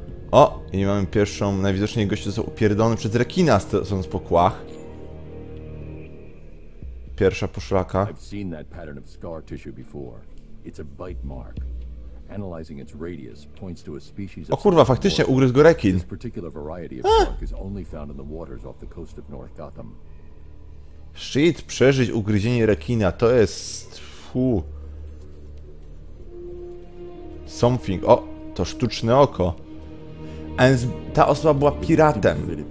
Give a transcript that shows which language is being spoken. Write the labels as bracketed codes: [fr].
[pl] O, i mamy pierwszą, najwidoczniej gościu został upierdolony przez rekina, stojąc po kłach. Pierwsza poszlaka. [en] I've seen that pattern of scar tissue before. It's a bite mark. Analyzing its radius points to a species of... [pl] O kurwa, faktycznie ugryzł go rekin. [en] This particular variety of shark is only found in the waters off the coast of North Gotham. [pl] Shit, przeżyć ugryzienie rekina, to jest... [en] Something. [pl] O, to sztuczne oko. A więc ta osoba była piratem.